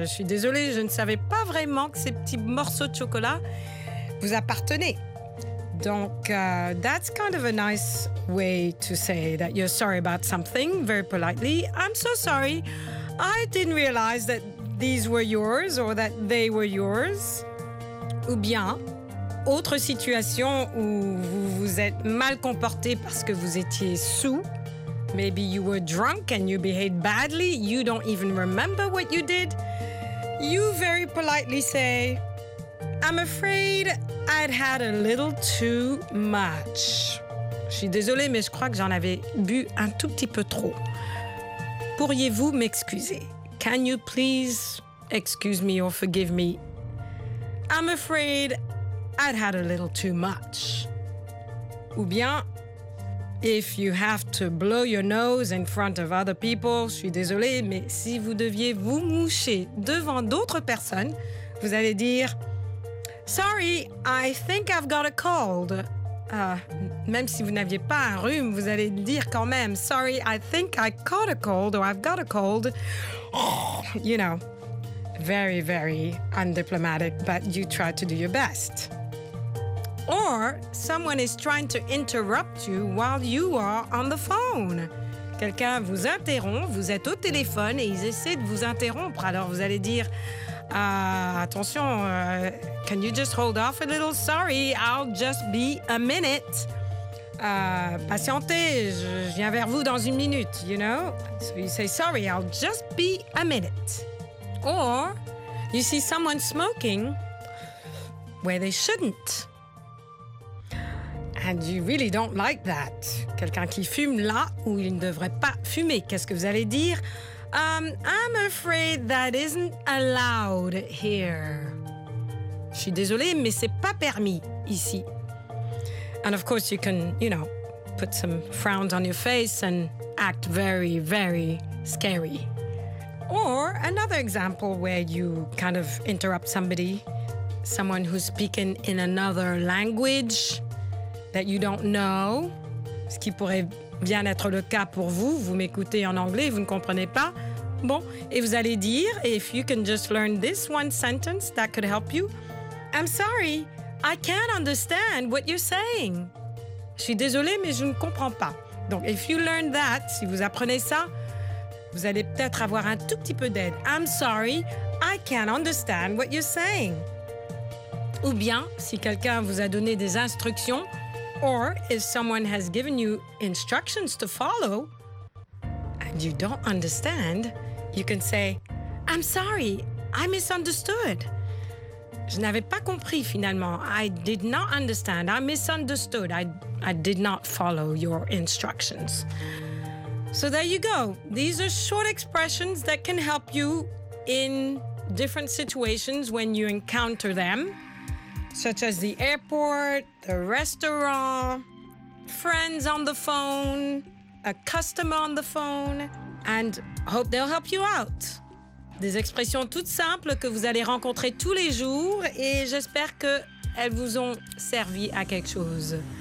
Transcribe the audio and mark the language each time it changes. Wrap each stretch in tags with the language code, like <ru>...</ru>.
<fr>Je suis désolée, je ne savais pas vraiment que ces petits morceaux de chocolat vous appartenaient.</fr> <en>Donc, that's kind of a nice way to say that you're sorry about something, very politely. I'm so sorry, I didn't realize that these were yours or that they were yours.</en> <fr>Ou bien, autre situation où vous vous êtes mal comporté parce que vous étiez sous.</fr> <en>Maybe you were drunk and you behaved badly. You don't even remember what you did. You very politely say, I'm afraid I'd had a little too much.</en> <fr>Je suis désolée, mais je crois que j'en avais bu un tout petit peu trop. Pourriez-vous m'excuser?</fr> <en>Can you please excuse me or forgive me? I'm afraid I'd had a little too much.</en> <fr>Ou bien,</fr> <en>if you have to blow your nose in front of other people,</en> <fr>je suis désolée, mais si vous deviez vous moucher devant d'autres personnes, vous allez dire,</fr> <en>sorry, I think I've got a cold.</en> <fr>Même si vous n'aviez pas un rhume, vous allez dire quand même,</fr> <en>sorry, I think I caught a cold or I've got a cold. Oh, you know, very, very undiplomatic, but you try to do your best. Or someone is trying to interrupt you while you are on the phone.</en> <fr>Quelqu'un vous interrompt, vous êtes au téléphone et ils essaient de vous interrompre. Alors vous allez dire, attention,</fr> <en>can you just hold off a little? Sorry, I'll just be a minute.</en> <fr>Patientez, je viens vers vous dans une minute,</fr> <en>you know? So you say, sorry, I'll just be a minute. Or you see someone smoking where they shouldn't. And you really don't like that.</en> <fr>Quelqu'un qui fume là où il ne devrait pas fumer. Qu'est-ce que vous allez dire?</fr> <en>I'm afraid that isn't allowed here.</en> <fr>Je suis désolée, mais c'est pas permis ici.</fr> <en>And of course you can, you know, put some frowns on your face and act very, very scary. Or another example where you kind of interrupt somebody, someone who's speaking in another language that you don't know,</en> <fr>ce qui pourrait bien être le cas pour vous, vous m'écoutez en anglais, vous ne comprenez pas. Bon, et vous allez dire,</fr> <en>if you can just learn this one sentence, that could help you. I'm sorry, I can't understand what you're saying.</en> <fr>Je suis désolée, mais je ne comprends pas. Donc,</fr> <en>if you learn that,</en> <fr>si vous apprenez ça, vous allez peut-être avoir un tout petit peu d'aide.</fr> <en>I'm sorry, I can't understand what you're saying.</en> <fr>Ou bien, si quelqu'un vous a donné des instructions,</fr> <en>or if someone has given you instructions to follow and you don't understand, you can say, I'm sorry, I misunderstood.</en> <fr>Je n'avais pas compris finalement.</fr> <en>I did not understand. I misunderstood. I did not follow your instructions. So there you go. These are short expressions that can help you in different situations when you encounter them, such as the airport, the restaurant, friends on the phone, a customer on the phone, and hope they'll help you out.</en> <fr>Des expressions toutes simples que vous allez rencontrer tous les jours et j'espère qu'elles vous ont servi à quelque chose.</fr>